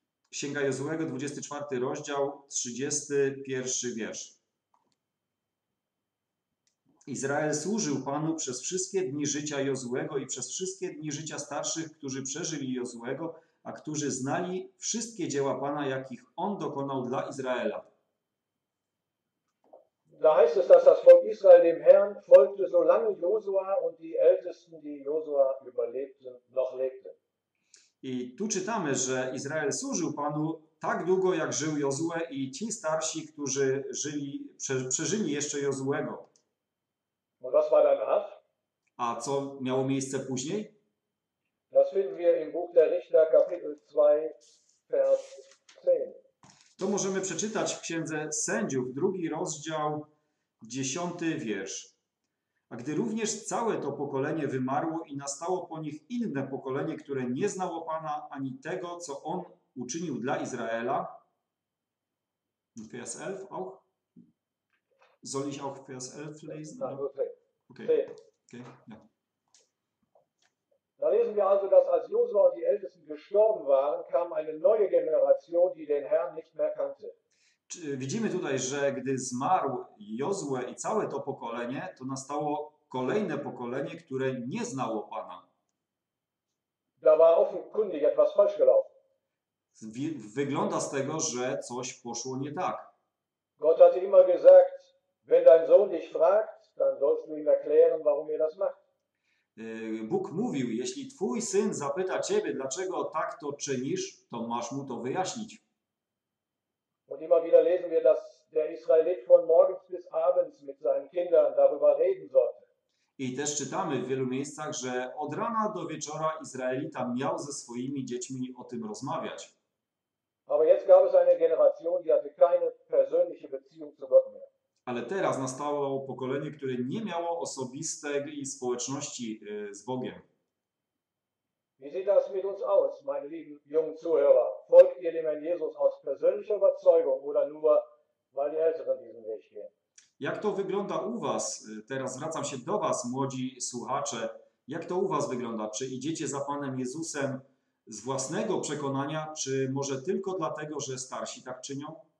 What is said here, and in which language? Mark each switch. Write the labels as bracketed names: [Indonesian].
[Polish] Księga Jozuego, 24 rozdział, 31 wiersz. Izrael służył Panu przez wszystkie dni życia Jozuego i przez wszystkie dni życia starszych, którzy przeżyli Jozuego, a którzy znali wszystkie dzieła Pana, jakich On dokonał dla Izraela. [German] Da heißt es, dass das Volk Israel dem Herrn folgte, solange Josua und die Ältesten, die Josua überlebten, noch lebten. [Polish] I tu czytamy, że Izrael służył Panu tak długo, jak żył Jozue i ci starsi, którzy przeżyli jeszcze Jozuego. [German] Und was war danach? [Polish] A co miało miejsce później? [German] Das finden wir im Buch der Richter, Kapitel 2, Vers 10. [Polish] To możemy przeczytać w Księdze Sędziów, drugi rozdział, 10 wiersz. A gdy również całe to pokolenie wymarło i nastało po nich inne pokolenie, które nie znało Pana ani tego, co On uczynił dla Izraela. [German] Vers 11 auch? Soll ich auch Vers 11 lesen? Okay. Da lesen wir also, dass als Josua und die Ältesten gestorben waren, kam eine neue Generation, die den Herrn nicht mehr kannte. [Polish] Widzimy tutaj, że gdy zmarł Jozue i całe to pokolenie, to nastało kolejne pokolenie, które nie znało Pana. [German] Da war offenkundig etwas falsch gelaufen. [Polish] Wygląda z tego, że coś poszło nie tak. [German] Gott hatte immer gesagt, wenn dein Sohn dich fragt, dann sollst du ihm erklären, warum ihr das macht. [Polish] Bóg mówił, jeśli twój syn zapyta ciebie, dlaczego tak to czynisz, to masz mu to wyjaśnić. [German] Und immer wieder lesen wir, dass der Israelit von morgens bis abends mit seinen Kindern darüber reden sollte. [Polish] I też czytamy w wielu miejscach, że od rana do wieczora Izraelita miał ze swoimi dziećmi o tym rozmawiać. [German] Aber jetzt gab es eine Generation, die hatte keine persönliche Beziehung zu Gott mehr. [Polish] Ale teraz nastało pokolenie, które nie miało osobistej społeczności z Bogiem. [German] Wie sieht das mit uns aus, meine lieben jungen Zuhörer? Folgt ihr dem Herrn Jesus aus persönlicher Überzeugung oder nur, weil die Älteren diesen Weg gehen? [Polish] Jak to wygląda u was? Teraz zwracam się do was, młodzi słuchacze. Jak to u was wygląda? Czy idziecie za Panem Jezusem z własnego przekonania, czy może tylko dlatego, że starsi tak czynią?